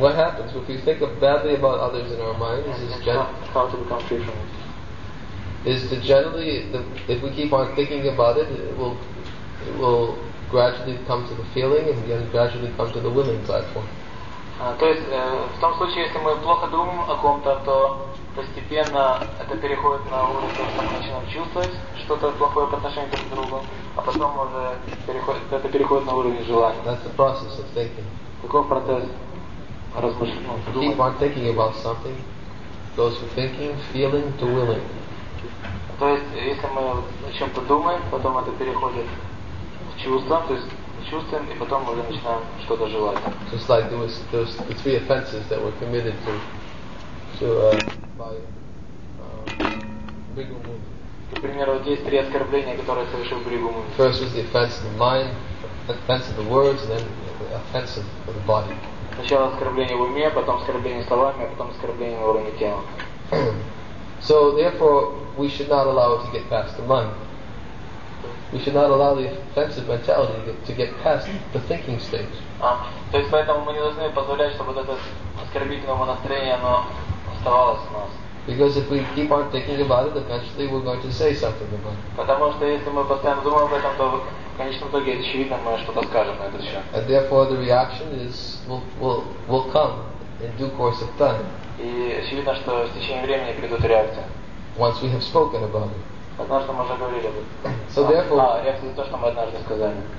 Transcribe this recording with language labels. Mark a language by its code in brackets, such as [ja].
[en] what happens if we think of badly about others in our minds? Is how to become free from it? Is to generally, if we keep on thinking about it, it will gradually come to the feeling and then gradually come to the willing platform. [ru] То есть в том случае, если мы плохо думаем о ком-то, то постепенно это переходит на уровень, когда мы начинаем чувствовать что-то плохое по отношению друг к другу, а потом уже это переходит на уровень желания. [en] That's the process of thinking. [ru] Каков процесс размышления? [en] Keep on thinking about something, goes from thinking, feeling to willing. [ru] То есть если мы о чем-то думаем, потом это переходит в чувства, то есть чувствуем, и потом уже начинаем что-то желать. [en] Just like there was the three offenses that were committed by Бригу Мун. [ru] Например, вот есть три оскорбления, которые совершил Бригу Мун. [en] First was the offense of the mind, offense of the words, and then the offense of the body. [ru] Сначала оскорбление в уме, потом оскорбление словами, а потом оскорбление на уровне тела. [en] So therefore, we should not allow it to get past the mind. We should not allow the offensive mentality to get past the thinking stage. [ru] То есть поэтому мы не должны позволять, чтобы это оскорбительное настроение оно оставалось у нас. [en] Because if we keep on thinking about it, eventually we're going to say something about it. [ru] Потому что если мы постоянно думаем об этом, то в конечном итоге очевидно, мы что-то скажем на этот счет. [en] And therefore, the reaction is will come in due course of time. [ru] И очевидно, что с течением времени придут реакции. [en] Once we have spoken about it. [ru] Однажды мы уже говорили об [en] этом. So therefore, [ru] реакция за то, что мы однажды сказали.